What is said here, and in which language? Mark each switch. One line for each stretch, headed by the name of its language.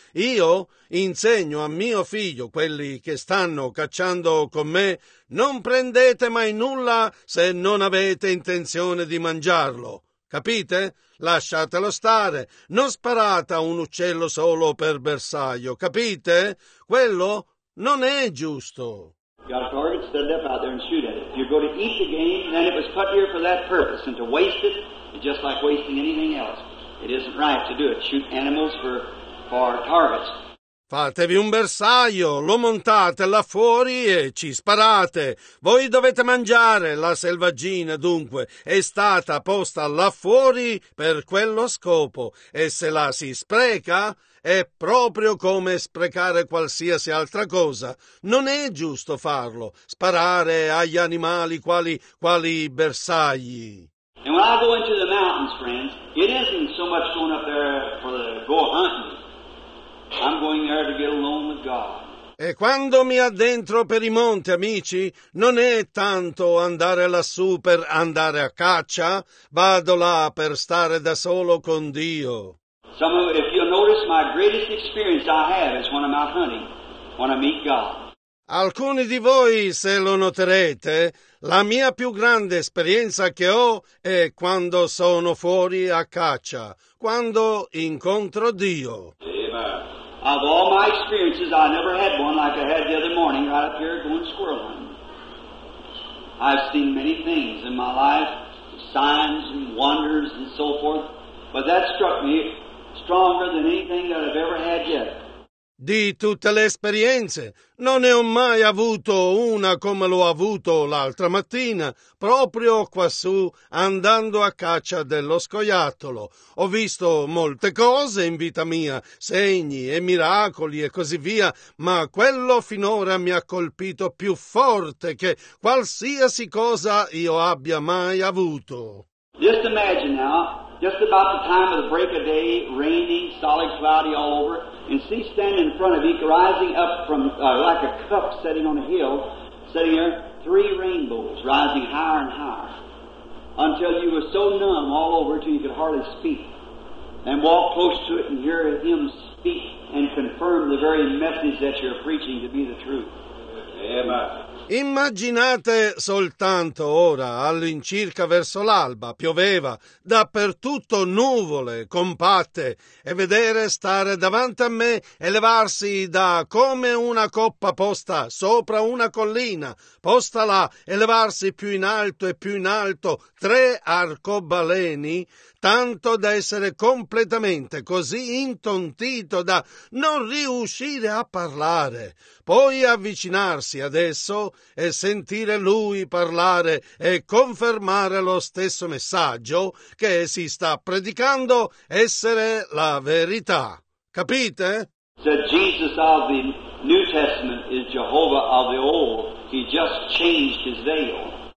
Italian: Io insegno a mio figlio, quelli che stanno cacciando con me, non prendete mai nulla se non avete intenzione di mangiarlo. Capite? Lasciatelo stare. Non sparate a un uccello solo per bersaglio. Capite? Quello non è giusto.
English: You got a target, stand up out there and shoot at it. You're going to eat the game, and then it was put here for that purpose, and to waste it is just like wasting anything else. It isn't right to do it. Shoot animals for targets.
Italian: Fatevi un bersaglio, lo montate là fuori e ci sparate. Voi dovete mangiare, la selvaggina dunque è stata posta là fuori per quello scopo. E se la si spreca, è proprio come sprecare qualsiasi altra cosa. Non è giusto farlo, sparare agli animali quali bersagli.
English: And when I go into the mountains, friends, it isn't so much going up there for the go hunting. I'm going there to get alone with God.
Italian: E quando mi addentro per i monti, amici, non è tanto andare lassù per andare a caccia, vado là per stare da solo con Dio.
English: If you notice, my greatest experience I have is when I'm out hunting, when I meet God.
Italian: Alcuni di voi, se lo noterete, la mia più grande esperienza che ho è quando sono fuori a caccia, quando incontro Dio.
English: Of all my experiences, I never had one like I had the other morning right up here going squirrel hunting. I've seen many things in my life, signs and wonders and so forth, but that struck me stronger than anything that I've ever had yet.
Italian: Di tutte le esperienze, non ne ho mai avuto una come l'ho avuto l'altra mattina, proprio quassù, andando a caccia dello scoiattolo. Ho visto molte cose in vita mia, segni e miracoli e così via, ma quello finora mi ha colpito più forte che qualsiasi cosa io abbia mai avuto.
English: Just imagine now, just about the time of the break of day, raining, solid, cloudy all over, and see standing in front of you, rising up from like a cup sitting on a hill, sitting there, three rainbows rising higher and higher, until you were so numb all over till you could hardly speak, and walk close to it and hear him speak and confirm the very message that you're preaching to be the truth. Amen.
Italian: Immaginate soltanto ora, all'incirca verso l'alba, pioveva, dappertutto nuvole, compatte, e vedere stare davanti a me, elevarsi da come una coppa posta sopra una collina, posta là, elevarsi più in alto e più in alto, tre arcobaleni, tanto da essere completamente così intontito da non riuscire a parlare, poi avvicinarsi adesso e sentire lui parlare e confermare lo stesso messaggio che si sta predicando essere la verità. Capite?
English: The Jesus of the New Testament is Jehovah of the Old. He just changed his veil.